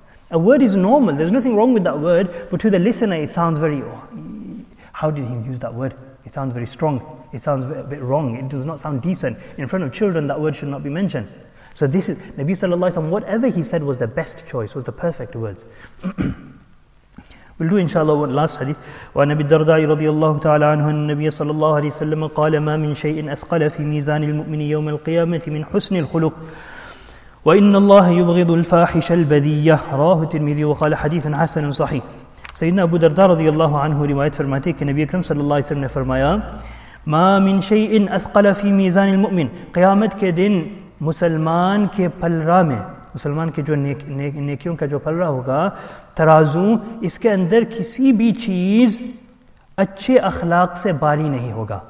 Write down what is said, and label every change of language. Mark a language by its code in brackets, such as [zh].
[en] A word is normal, there's nothing wrong with that word, but to the listener it sounds very, how did he use that word? It sounds very strong, it sounds a bit wrong, it does not sound decent. In front of children, that word should not be mentioned. So this is, Nabi Sallallahu Alaihi Wasallam, whatever he said was the best choice, was the perfect words. We'll do inshallah one last hadith. [ar] Wa Nabi Darda رضي الله تعالى عنه النبي صلى الله عليه وسلم قال ما من شيء أثقل في ميزان المؤمن يوم القيامة من حسن الخلق وإن الله يبغض الفاحش البذية راه الترمذي وقال حديث حسن صحيح. [ur] سيدنا أبو درداء رضي الله عنه روايت فرماتے کہ نبی اکرم صلى الله عليه وسلم نے فرمایا [ar] ما من شيء أثقل في ميزان المؤمن, [ur] قیامت کے دن مسلمان کے پلرا میں, مسلمان کے جو نیکیوں کا جو پلرا ہوگا ترازو, اس کے اندر کسی بھی چیز اچھے اخلاق سے باری نہیں ہوگا.